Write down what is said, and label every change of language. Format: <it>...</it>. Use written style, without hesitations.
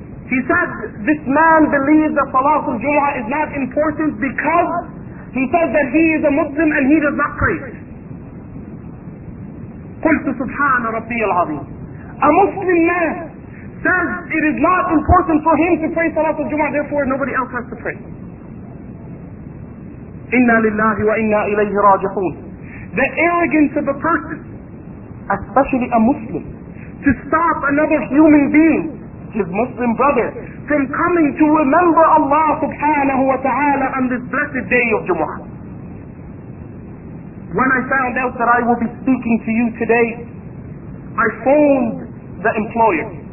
<en>He said, this man believes that Salatul Jumu'ah is not important because he says that he is a Muslim and he does not pray.</en> <ar>قلت سبحان ربي العظيم.</ar> <en>A Muslim man says it is not important for him to pray Salatul Jumu'ah, therefore nobody else has to pray.</en> <ar>إنا لله وإنا إليه راجعون.</ar> <en>The arrogance of a person, especially a Muslim, to stop another human being, his Muslim brother, from coming to remember Allah subhanahu wa ta'ala on this blessed day of Jumu'ah. When I found out that I will be speaking to you today, I phoned the employer.</en>